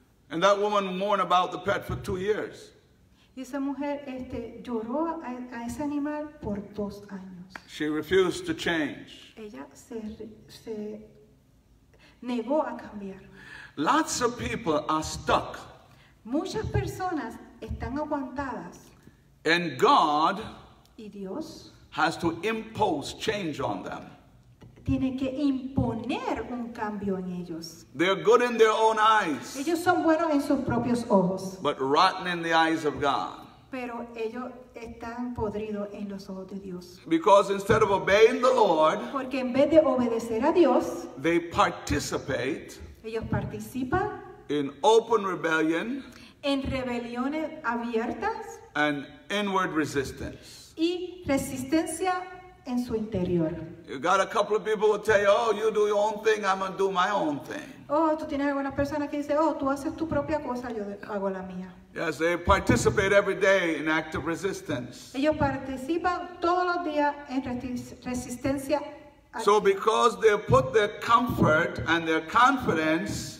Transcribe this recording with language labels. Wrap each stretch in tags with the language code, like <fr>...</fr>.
<en>And that woman mourned about the pet for 2 years.</en> <es>Y esa mujer lloró a ese animal por 2 años.</es> <en>She refused to change.</en> <es>Ella se negó a cambiar.</es> <en>Lots of people are stuck.</en> <es>Muchas personas están aguantadas.</es> <en>And God</en> <es>y Dios</es> <en>has to impose change on them.</en> <es>Tiene que imponer un cambio en ellos.</es> <en>They're good in their own eyes.</en> <es>Ellos son buenos en sus propios ojos.</es> <en>But rotten in the eyes of God.</en> <es>Pero ellos están podridos en los ojos de Dios.</es> <en>Because instead of obeying the Lord,</en> <es>porque en vez de obedecer a Dios,</es> <en>they participate,</en> <es>ellos participan</es> <en>in open rebellion,</en> <es>en rebeliones abiertas,</es> <en>and inward resistance.</en> <es>Y resistencia en su interior.</es> <en>You got a couple of people who tell you, "Oh, you do your own thing. I'm gonna do my own thing."</en> <es>Oh, tú tienes algunas personas que dice, "Oh, tú haces tu propia cosa, yo hago la mía."</es> <en>Yes, they participate every day in active resistance.</en> <es>Ellos participan todos los días en resistencia.</es> <en>So because they put their comfort and their confidence,</en>